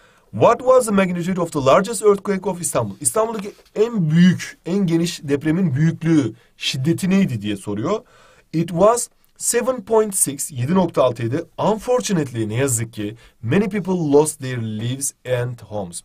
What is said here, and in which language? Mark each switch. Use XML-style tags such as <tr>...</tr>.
<en>What was the magnitude of the largest earthquake of Istanbul?</en> <tr>İstanbul'daki en büyük, en geniş depremin büyüklüğü, şiddeti neydi diye soruyor.</tr> <en>It was 7.6,</en> <tr>7.6 idi.</tr> <en>Unfortunately,</en> <tr>ne yazık ki,</tr> <en>many people lost their lives and homes.</en>